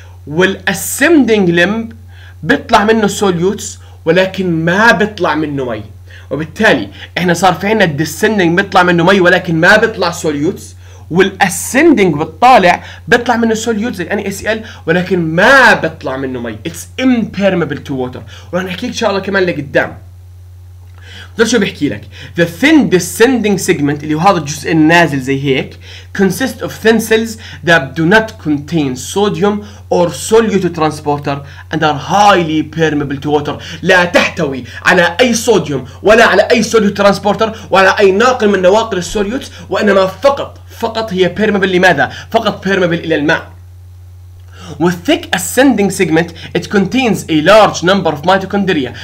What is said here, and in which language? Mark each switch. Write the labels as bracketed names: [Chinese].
[Arabic] والascending loop بيطلع منه solutes ولكن ما بيطلع منه مي. وبالتالي احنا صار في عنا الديسندنج بيطلع منه مي ولكن ما بيطلع سوليوتس، والاسندنج بالطالع بيطلع منه سوليوتس زي NaCl ولكن ما بيطلع منه مي. [English] it's impermeable to water, [Arabic] وراح نحكي لك ان شاء الله كمان لقدام. [English] ده شو بحكي لك؟ The thin descending segment [Arabic] اللي هو هذا الجزء النازل زي هيك [English] consists of thin cells that do not contain sodium or solute transporter and are highly permeable to water. [Arabic] لا تحتوي على أي صوديوم ولا على أي solute transporter ولا أي ناقل من نواقل السوليوت، وإنما فقط هي permeable. لماذا؟ فقط permeable إلى الماء. [English] والthick ascending segment it contains a large number of mitochondria.